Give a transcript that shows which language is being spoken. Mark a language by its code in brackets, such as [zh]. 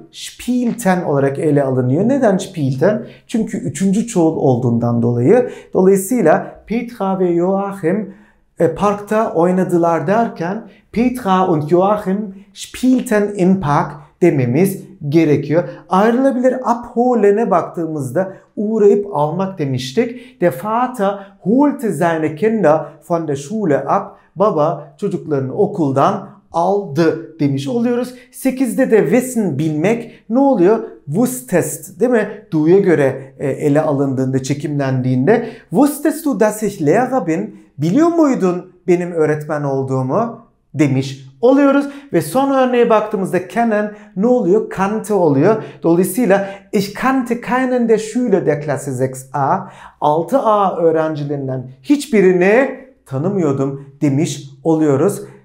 [tr] Spielten olarak ele alınıyor. Neden spielten? Çünkü üçüncü çoğul olduğundan dolayı. Dolayısıyla Petra ve Joachim parkta oynadılar derken [de] Petra und Joachim spielten im Park [tr] dememiz gerekiyor. Ayrılabilir abholen'e baktığımızda uğrayıp almak demiştik. [de] Der Vater holte seine Kinder von der Schule ab. [tr] Baba çocuklarını okuldan aldı demiş oluyoruz. 8'de de wissen bilmek ne oluyor? Wusstest değil mi? Du'ya göre ele alındığında, çekimlendiğinde. [de] Wusstest du, dass ich Lehrer bin? [tr] Biliyor muydun benim öğretmen olduğumu? Demiş oluyoruz. Ve son örneğe baktığımızda kennen ne oluyor? Kannte oluyor. Dolayısıyla [de] ich kannte keinen der Schüler der Klasse 6a. [tr] 6a öğrencilerinden hiçbirini tanımıyordum demiş oluyoruz.